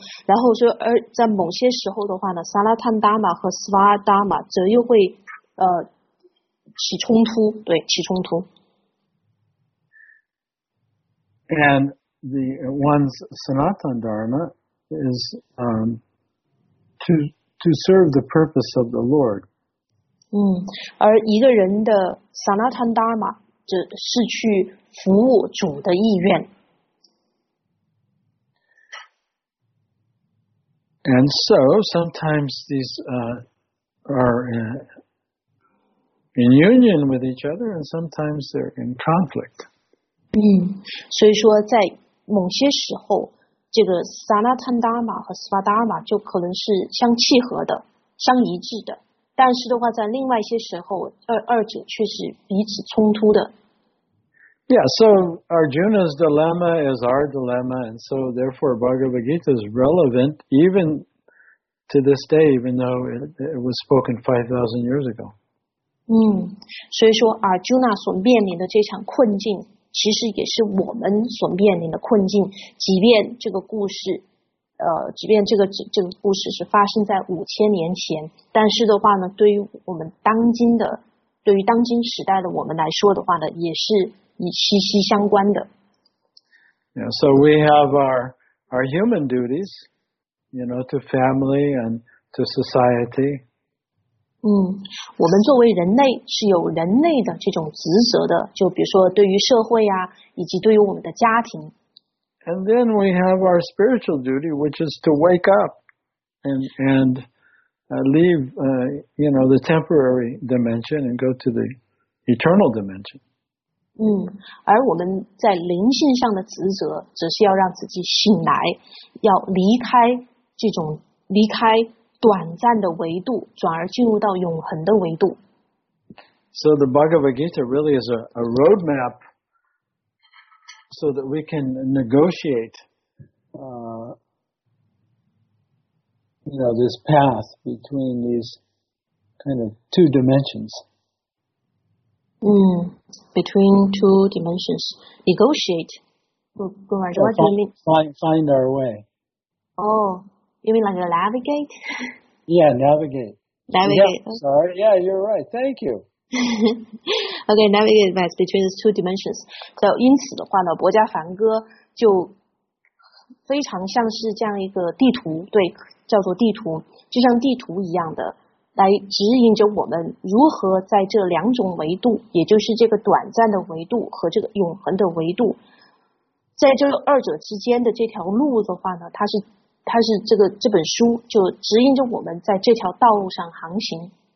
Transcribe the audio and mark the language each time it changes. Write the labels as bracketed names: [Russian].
[Chinese] 然后说而在某些时候的话呢 ，Sanatana Dharma 和 Swara Dharma 则又会起冲突，对，起冲突。 [English] And the one's Sanatana Dharma is to serve the purpose of the Lord. [Chinese] 而一个人的 Sanatana Dharma 则是去服务主的意愿。 [English] And so sometimes these are in union with each other, and sometimes they're in conflict. [Chinese] 所以说在某些时候，这个 Sanatana Dharma 和 Swadharma 就可能是相契合的、相一致的，但是的话，在另外一些时候，二者却是彼此冲突的。 [English] Yeah, so Arjuna's dilemma is our dilemma, and so therefore Bhagavad Gita is relevant even to this day, even though it was spoken 5,000 years ago. [Chinese] 所以说 Arjuna 所面临的这场困境，其实也是我们所面临的困境，即便这个故事即便这个故事是发生在5000年前，但是的话呢，对于我们当今的，对于当今时代的我们来说的话呢，也是以息息相关的。 [English] Yeah, so we have our human duties, you know, to family and to society. [Chinese] 我们作为人类是有人类的这种职责的，就比如说对于社会啊，以及对于我们的家庭。 [English] And then we have our spiritual duty, which is to wake up and leave, you know, the temporary dimension and go to the eternal dimension. [Chinese] 而我们在灵性上的职责，则是要让自己醒来，要离开这种离开短暂的维度，转而进入到永恒的维度。 [English] So the Bhagavad Gita really is a roadmap. So that we can negotiate, you know, this path between these kind of two dimensions. Between two dimensions, negotiate. What do you mean? Find our way. Oh, you mean like navigate? Yeah, navigate. Navigate. Yeah, sorry. Yeah, you're right. Thank you. okay, navigate best between the two dimensions. [Chinese] So, 因此的话呢，博伽梵歌就非常像是这样一个地图，对，叫做地图，就像地图一样的，来指引着我们如何在这两种维度，也就是这个短暂的维度和这个永恒的维度，在这二者之间的这条路的话呢，它是这个这本书就指引着我们在这条道路上航行。